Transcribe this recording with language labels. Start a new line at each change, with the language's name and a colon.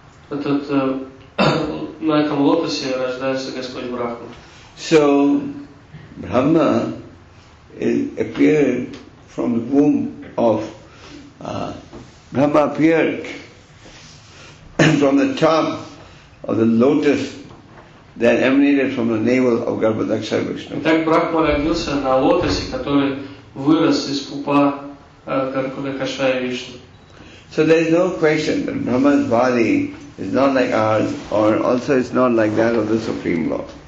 Russian: на этом лотосе рождается Господь Брахма.
English: So Brahma appeared from the womb of Brahma appeared from the top of the lotus that emanated from the navel of Garbhadaksha Vishnu.
Russian: Так Брахма родился на лотосе, который вырос из пупа Гарбхадакшая Вишну.
English: So there is no question that Brahma's body is not like ours, or also it's not like that of the Supreme Lord.